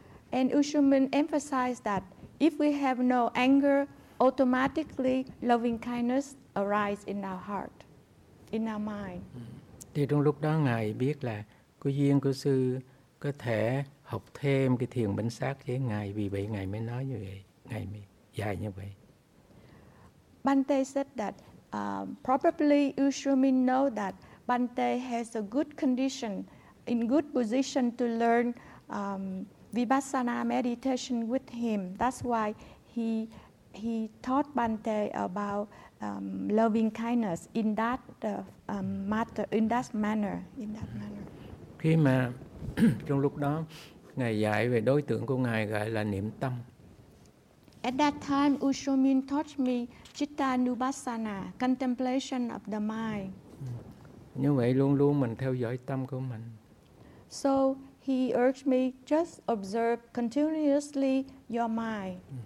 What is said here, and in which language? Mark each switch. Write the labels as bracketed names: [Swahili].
[English] And Ushu Min emphasized that if we have no anger, automatically loving kindness arises in our heart, in our mind. [Vietnamese] Thì trong lúc đó Ngài biết là có duyên của sư có thể học thêm cái thiền bánh sát với Ngài, vì vậy Ngài mới nói như vậy, Ngài mới dạy như vậy. [English] Bhante said that probably Ushu Min know that Bhante has a good condition, in good position to learn Vipassana meditation with him. That's why he taught Bhante about loving kindness in that matter, in that manner. [Vietnamese] Khi mà trong lúc đó Ngài dạy về đối tượng của Ngài gọi là niệm tâm. [English] At that time, Ushu Min taught me citta nubassana, contemplation of the mind. [Vietnamese] Như vậy luôn luôn mình theo dõi tâm của mình. [English] So he urged me just observe continuously your mind.